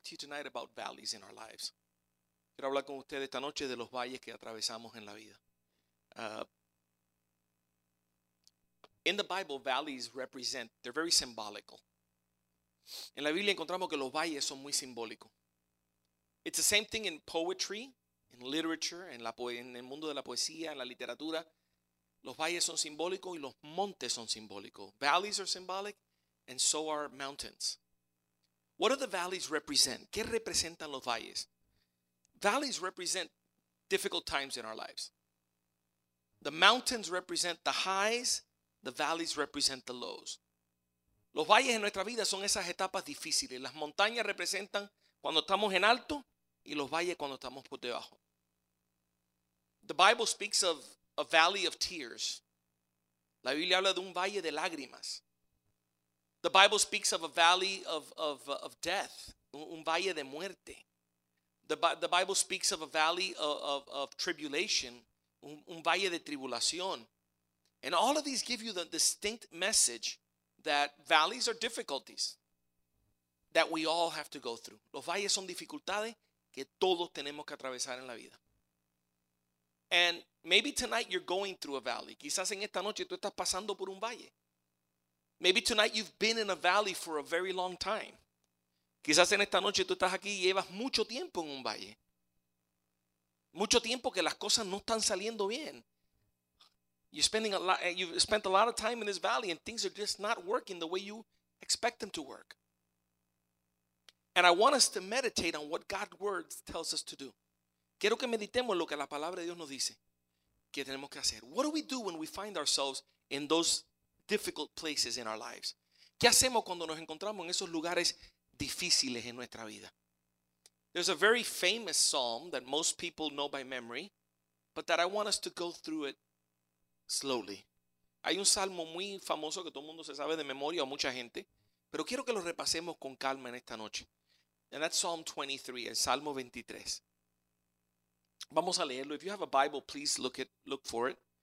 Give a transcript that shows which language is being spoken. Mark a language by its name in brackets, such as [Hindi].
[English] to you tonight about valleys in our lives. [Spanish] Quiero hablar con ustedes esta noche de los valles que atravesamos en la vida. [English] In the Bible, valleys represent, they're very symbolical. [Spanish] En la Biblia encontramos que los valles son muy simbólicos. [English] It's the same thing in poetry, in literature, [Spanish] en el mundo de la poesía, en la literatura. Los valles son simbólicos y los montes son simbólicos. [English] Valleys are symbolic and so are mountains. What do the valleys represent? [Spanish] ¿Qué representan los valles? [English] Valleys represent difficult times in our lives. The mountains represent the highs. The valleys represent the lows. [Spanish] Los valles en nuestra vida son esas etapas difíciles. Las montañas representan cuando estamos en alto y los valles cuando estamos por debajo. [English] The Bible speaks of a valley of tears. [Spanish] La Biblia habla de un valle de lágrimas. [English] The Bible speaks of a valley of death, [Spanish] un valle de muerte. [English] The Bible speaks of a valley of tribulation, [Spanish] un valle de tribulación. [English] And all of these give you the distinct message that valleys are difficulties that we all have to go through. [Spanish] Los valles son dificultades que todos tenemos que atravesar en la vida. [English] And maybe tonight you're going through a valley. [Spanish] Quizás en esta noche tú estás pasando por un valle. [English] Maybe tonight you've been in a valley for a very long time. [Spanish] Quizás en esta noche tú estás aquí y llevas mucho tiempo en un valle. Mucho tiempo que las cosas no están saliendo bien. [English] You've spent a lot of time in this valley and things are just not working the way you expect them to work. And I want us to meditate on what God's word tells us to do. [Spanish] Quiero que meditemos lo que la palabra de Dios nos dice que tenemos que hacer. [English] What do we do when we find ourselves in those difficult places in our lives? [Spanish] ¿Qué hacemos cuando nos encontramos en esos lugares difíciles en nuestra vida? [English] There's a very famous psalm that most people know by memory, but that I want us to go through it slowly. [Spanish] Hay un salmo muy famoso que todo el mundo se sabe de memoria o mucha gente, pero quiero que lo repasemos con calma en esta noche. [English] And that's Psalm 23, [Spanish] el Salmo 23. Vamos a leerlo. [English] If you have a Bible, please look for it.